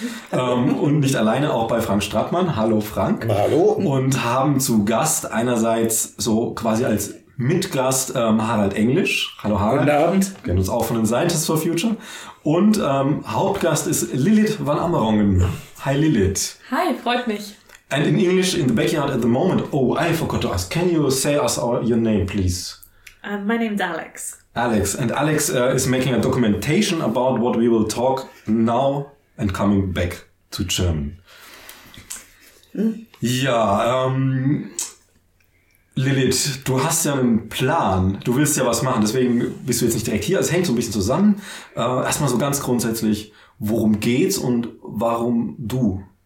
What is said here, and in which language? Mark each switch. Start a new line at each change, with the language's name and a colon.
German: Und nicht alleine, auch bei Frank Strattmann. Hallo Frank. Hallo. Und haben zu Gast einerseits so quasi als Mitgast Harald Englisch. Hallo Harald. Guten Abend. Wir kennen uns auch von den Scientists for Future. Und Hauptgast ist Lilith van Amerongen. Hi Lilith. Hi, freut mich.
English: And in English, in the backyard at the moment. Oh, I forgot to ask. Can you say us your name, please? My name's Alex. Alex. And Alex is making a documentation about what we will talk now and coming back to German.
German: Ja, Lilith, du hast ja einen Plan. Du willst ja was machen. Deswegen bist du jetzt nicht direkt hier. Es hängt so ein bisschen zusammen. Erstmal so ganz grundsätzlich, worum geht's und warum du?